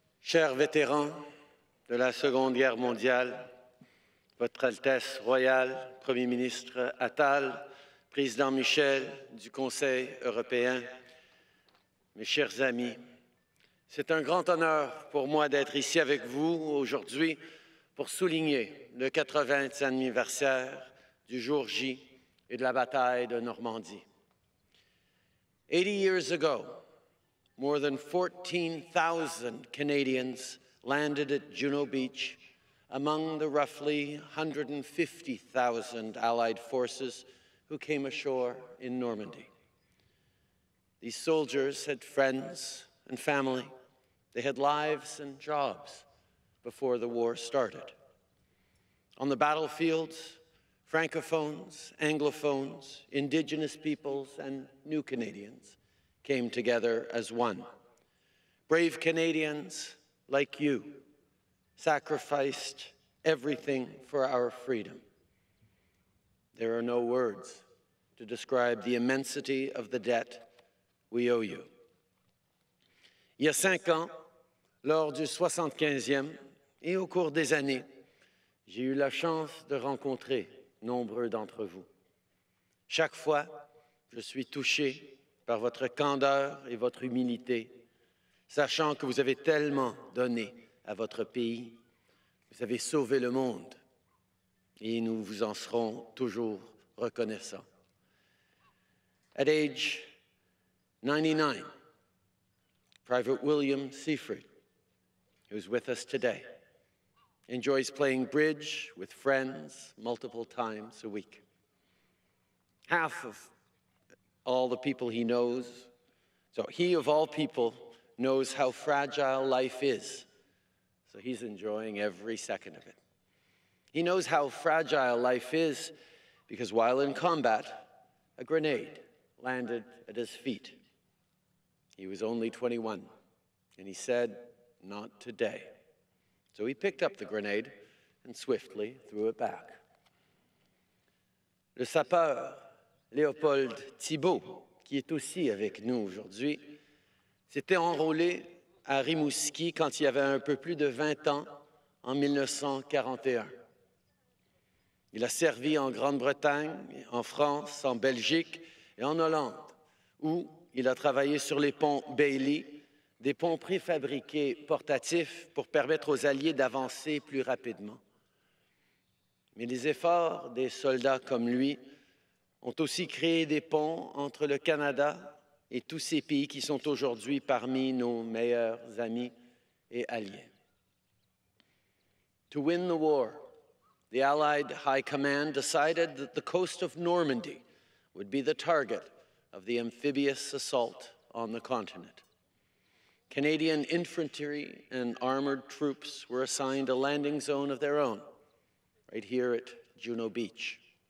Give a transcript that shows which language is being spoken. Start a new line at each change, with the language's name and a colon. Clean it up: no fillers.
French: Chers vétérans de la Seconde Guerre mondiale, Votre Altesse royale, Premier ministre Attal, Président Michel du Conseil européen, mes chers amis, c'est un grand honneur pour moi d'être ici avec vous aujourd'hui pour souligner le 80e anniversaire du jour J et de la bataille de Normandie.
English: 80 years ago, more than 14,000 Canadians landed at Juno Beach among the roughly 150,000 Allied forces who came ashore in Normandy. These soldiers had friends and family. They had lives and jobs before the war started. On the battlefields, Francophones, Anglophones, Indigenous peoples, and new Canadians came together as one. Brave Canadians like you sacrificed everything for our freedom. There are no words to describe the immensity of the debt we owe you.
French: Il y a cinq ans, lors du 75e, et au cours des années, j'ai eu la chance de rencontrer nombreux d'entre vous. Chaque fois, je suis touché par votre candeur et votre humilité, sachant que vous avez tellement donné à votre pays. Vous avez sauvé le monde et nous vous en serons toujours reconnaissants.
English: At age 99, Private William Seyfried, who's with us today, enjoys playing bridge with friends multiple times a week. Half of all the people he knows, so he of all people knows how fragile life is. So he's enjoying every second of it. He knows how fragile life is because while in combat, a grenade landed at his feet. He was only 21, and he said, not today. So he picked up the grenade and swiftly threw it back.
French: Le sapeur Léopold Thibault, qui est aussi avec nous aujourd'hui, s'était enrôlé à Rimouski quand il avait un peu plus de 20 ans en 1941. Il a servi en Grande-Bretagne, en France, en Belgique et en Hollande, où il a travaillé sur les ponts Bailey, des ponts préfabriqués portatifs pour permettre aux Alliés d'avancer plus rapidement. Mais les efforts des soldats comme lui ont aussi créé des ponts entre le Canada et tous ces pays qui sont aujourd'hui parmi nos meilleurs amis et alliés.
English: To win the war, the Allied High Command decided that the coast of Normandy would be the target of the amphibious assault on the continent. Canadian infantry and armored troops were assigned a landing zone of their own, right here at Juno Beach.